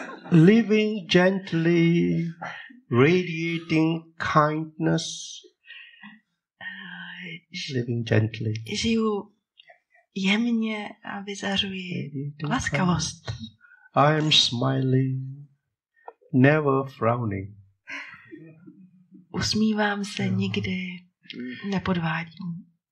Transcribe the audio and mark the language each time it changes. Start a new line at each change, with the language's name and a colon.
English: Living gently, radiating kindness. Living gently.
Czech: Žiju jemně a vyzařuji laskavost.
English: I am smiling, never frowning.
Czech: Usmívám se, nikdy nepodvádím.